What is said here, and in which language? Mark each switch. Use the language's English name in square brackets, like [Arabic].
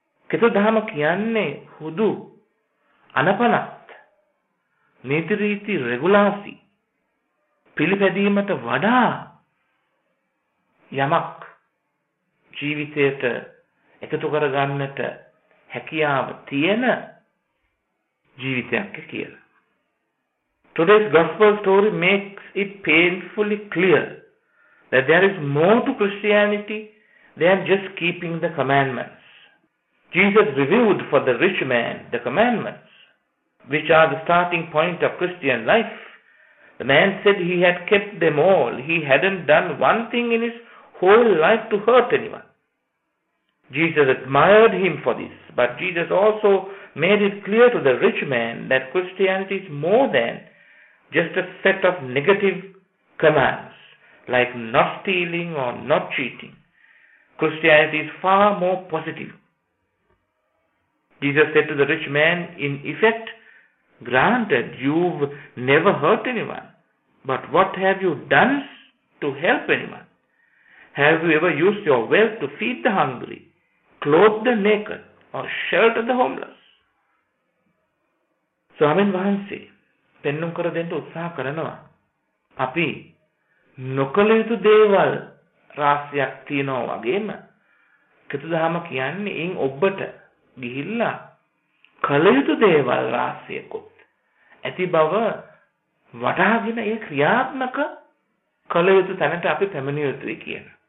[Sinhala] කෙතුදහම කියන්නේ හුදු අනපනත් නීති රීති රෙගුලාසි පිළිපැදීමට වඩා යමක් ජීවිතයට එකතු කරගන්නට හැකියාව තියෙන ජීවිතයක් කියලා. [English] Today's gospel story makes it painfully clear that there is more to Christianity than just keeping the commandments. Jesus reviewed for the rich man the commandments, which are the starting point of Christian life. The man said he had kept them all. He hadn't done one thing in his whole life to hurt anyone. Jesus admired him for this, but Jesus also made it clear to the rich man that Christianity is more than just a set of negative commands, like not stealing or not cheating. Christianity is far more positive. Jesus said to the rich man, in effect, granted, you've never hurt anyone, but what have you done to help anyone? Have you ever used your wealth to feed the hungry, clothe the naked, or shelter the homeless? [Sinhala] Swamin Vahansi, pennum karadenta utsaha karanawa, api නොකළ යුතු දේවල් රාශියක් තියෙනවා වගේම කිතුදහම කියන්නේ එින් ඔබට ගිහිල්ලා කළ යුතු දේවල් රාශියකුත් ඇති බව වටහාගෙන ඒ ක්‍රියාත්මක කළ යුතු තැනට අපි පැමිණිය යුතුයි කියන.